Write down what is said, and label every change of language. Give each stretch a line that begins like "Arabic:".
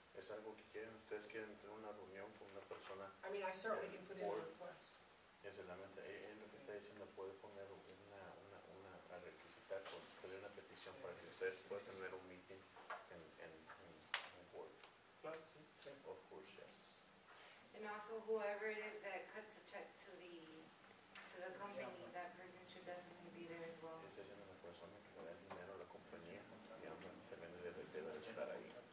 Spanish: Es algo que quieren, ustedes quieren tener una reunión con una persona.
English: I mean, I certainly can put in a request.
Spanish: Es solamente, es lo que está diciendo, puede poner una a requisitar, con escribir una petición para que ustedes puedan tener un meeting en board.
English: Of course, yes. And also, whoever it is that cuts the check to the company, that person should definitely be there as well.
Spanish: Esa es una persona que le da el dinero a la compañía, y también debe estar ahí.